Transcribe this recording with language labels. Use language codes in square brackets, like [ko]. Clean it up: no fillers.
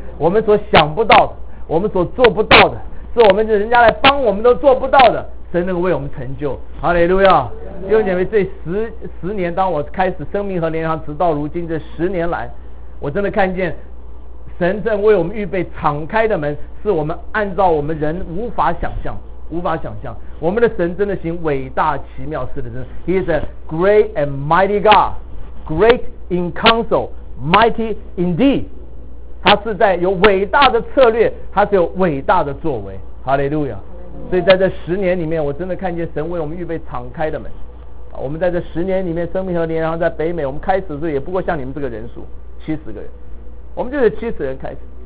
[zh] 我们所想不到的，我们所做不到的，是我们人家来帮我们都做不到的，神能够为我们成就，哈利路亚。弟兄姐妹，这十年，当我开始生命和联航，直到如今这十年来，我真的看见神正为我们预备敞开的门，是我们按照我们人无法想象，无法想象。我们的神真的行伟大奇妙事的神 [en] ，He is a great and mighty God, great in counsel, mighty indeed。 [zh] 他是在有伟大的策略，他是有伟大的作为，哈利路亚。所以在这十年里面，我真的看见神为我们预备敞开的门。我们在这十年里面，生命和年，然后在北美，我们开始的时候也不过像你们这个人数，70个人，我们就是70人开始。